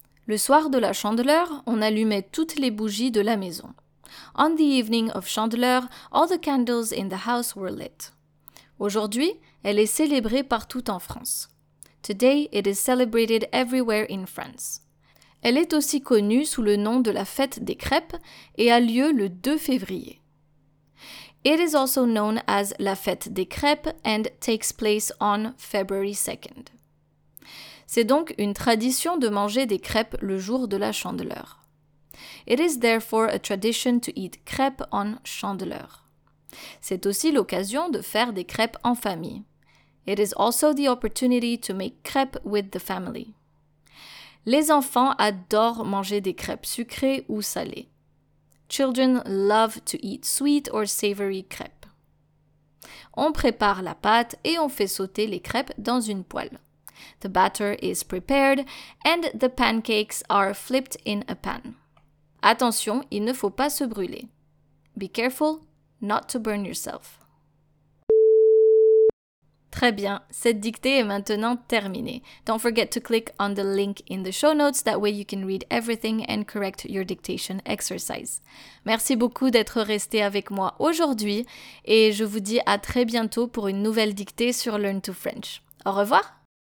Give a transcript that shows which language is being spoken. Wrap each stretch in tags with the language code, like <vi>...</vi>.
<fr>Le soir de la Chandeleur, on allumait toutes les bougies de la maison.</fr> <en>On the evening of Chandeleur, all the candles in the house were lit. Aujourd'hui, elle est célébrée partout en France. Today, it is celebrated everywhere in France.</en> <fr>Elle est aussi connue sous le nom de la fête des crêpes et a lieu le 2 février.</fr> <en>It is also known as la fête des crêpes and takes place on February 2nd.</en> <fr>C'est donc une tradition de manger des crêpes le jour de la Chandeleur.</fr> <en>It is therefore a tradition to eat crêpes on Chandeleur.</en> <fr>C'est aussi l'occasion de faire des crêpes en famille.</fr> <en>It is also the opportunity to make crêpes with the family.</en> <fr>Les enfants adorent manger des crêpes sucrées ou salées.</fr> <en>Children love to eat sweet or savory crêpes.</en> <fr>On prépare la pâte et on fait sauter les crêpes dans une poêle.</fr> <en>The batter is prepared and the pancakes are flipped in a pan.</en> <fr>Attention, il ne faut pas se brûler.</fr> <en>Be careful not to burn yourself.</en> <fr>Très bien, cette dictée est maintenant terminée.</fr> <en>Don't forget to click on the link in the show notes, that way you can read everything and correct your dictation exercise.</en> <fr>Merci beaucoup d'être resté avec moi aujourd'hui et je vous dis à très bientôt pour une nouvelle dictée sur Learn to French. Au revoir!</fr>